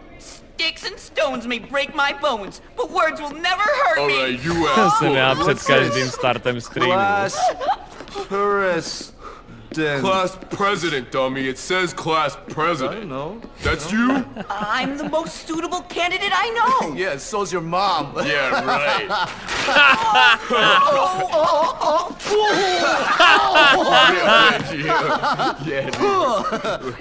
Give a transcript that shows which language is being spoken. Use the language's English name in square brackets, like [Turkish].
[English] Sticks and stones may break my bones, but words will never hurt me! Alright, you asshole! [Czech] Jsem já před každým startem streamu. [English] Class. Tourist. president. Class president, dummy. It says class president. I don't know. That's you? I'm the most suitable candidate I know. Yeah, so's your mom. Yeah, right.